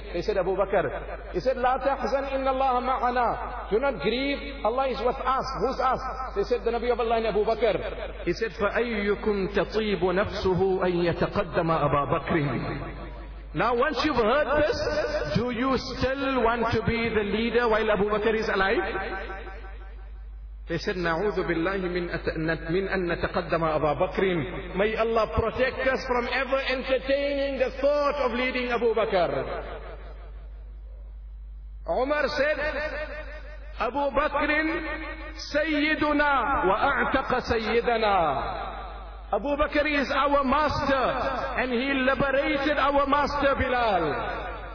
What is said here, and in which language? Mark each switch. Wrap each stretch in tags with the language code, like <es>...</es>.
<en>They said, Abu Bakr. He said,</en> <ar>la tahzan inna Allah ma'ana.</ar> <en>Do not grieve. Allah is with us. Who's us? They said, the Nabi of Allah and Abu Bakr. He said,</en> <ar>fa ayyukum tatibu nafsuhu an yataqaddama Abu Bakr.</ar> <en>Now once you've heard this, do you still want to be the leader while Abu Bakr is alive?</en> <ar>They said, نَعُوذُ بِاللَّهِ مِنْ أَن نَتَقَدَّمَ أَبَا بَكْرٍ.</ar> <en>May Allah protect us from ever entertaining the thought of leading Abu Bakr.</en> <ar>Umar said, Abu Bakrin سَيِّدُنَا وَأَعْتَقَ سَيِّدَنَا.</ar> <en>Abu Bakr is our master and he liberated our master Bilal.</en>